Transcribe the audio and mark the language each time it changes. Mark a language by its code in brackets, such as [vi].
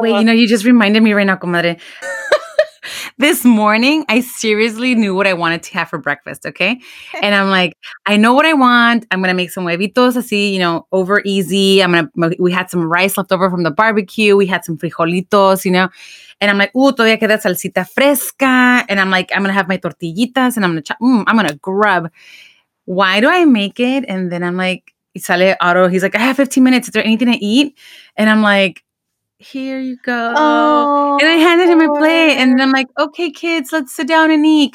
[en] Wait, you know, you just reminded me right now, comadre. This morning, I seriously knew what I wanted to have for breakfast, okay? And I'm like, I know what I want. I'm going to make some [es] huevitos así, [en] you know, over easy. We had some rice left over from the barbecue. We had some frijolitos, you know? And I'm like, ooh, [es] todavía queda salsita fresca. [en] And I'm like, I'm going to have my tortillitas and I'm going to I'm going to grub. Why do I make it? And then I'm like, sale Otto. He's like, I have 15 minutes. Is there anything to eat? And I'm like, here you go. Oh, and I handed him a plate and I'm like, okay, kids, let's sit down and eat.